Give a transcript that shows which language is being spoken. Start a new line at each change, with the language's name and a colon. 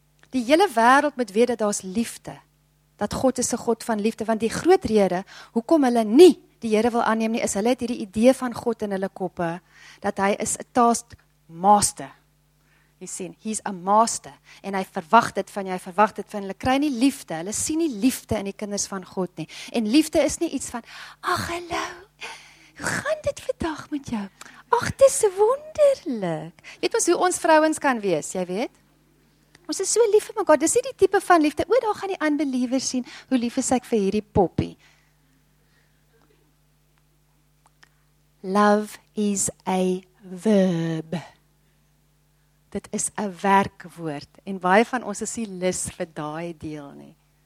Afrikaans: Die hele wêreld moet weet dat daar's liefde. Dat God is 'n God van liefde, want die groot rede hoekom hulle nie die Here wil aanneem nie, is hulle het hierdie idee van God in hulle koppe dat hy is 'n taskmaster.
English: You see, he's a master
Afrikaans: en hy verwag dit van jou, hy verwag dit van hulle. Kry nie liefde, hulle sien nie liefde in die kinders van God nie. En liefde is nie iets van, ag hallo, hoe gaan dit vandag met jou? Ag, dis wonderlik. Weet ons hoe ons vrouens kan wees, jy weet? Ons is so lief vir mekaar. Dis nie die tipe van liefde. O, daar gaan die unbelievers sien hoe lief is ek vir hierdie poppie.
English: Love is a verb.
Afrikaans: Dit is 'n werkwoord en baie van ons is nie lus vir daai deel nie.